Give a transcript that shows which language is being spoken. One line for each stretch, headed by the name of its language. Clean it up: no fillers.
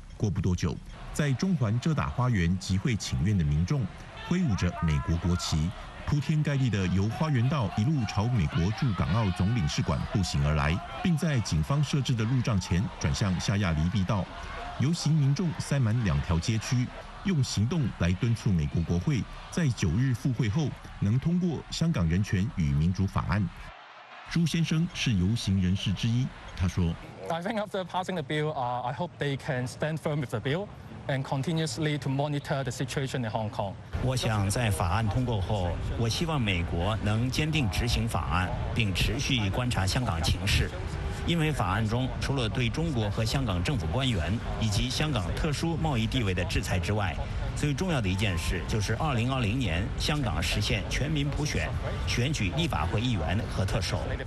Chinese: 过不多久，在中环遮打花园集会请愿的民众挥舞着美国国旗，铺天盖地地由花园道一路朝美国驻港澳总领事馆步行而来，并在警方设置的路障前转向夏亚黎避道。游行民众塞满两条街区，用行动来敦促美国国会在九日复会后能通过香港人权与民主法案。朱先生是游行人士之一，他说
English: I think after passing the bill, I hope they can stand firm with the bill and continuously to monitor the situation in Hong Kong.
Chinese: 我想在法案通过后，我希望美国能坚定执行法案，并持续观察香港情势。因为法案中除了对中国和香港政府官员以及香港特殊贸易地位的制裁之外，最重要的一件事就是2020年香港实现全民普选，选举立法会议员和特首。